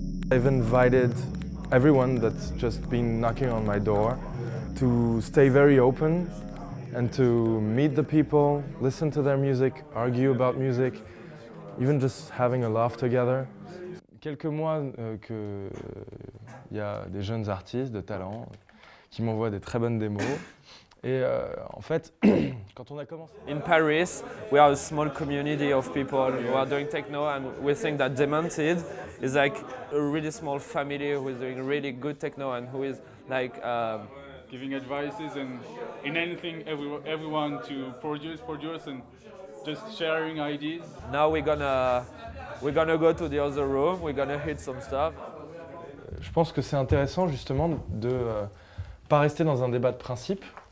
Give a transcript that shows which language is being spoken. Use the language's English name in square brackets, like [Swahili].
[English] I've invited everyone that's just been knocking on my door to stay very open and to meet the people, listen to their music, argue about music, even just having a laugh together. [French] Quelques mois que il y a des jeunes artistes de talent qui m'envoient des très bonnes démos. Et en fait, quand on a commencé... [English] In Paris, we are a small community of people who are doing techno, and we think that Demented is like a really small family who is doing really good techno and who is like... giving advices and in anything, everyone to produce and just sharing ideas. Now we're gonna go to the other room. We're gonna hit some stuff. [French] Je pense que c'est intéressant justement de pas rester dans un débat de principe.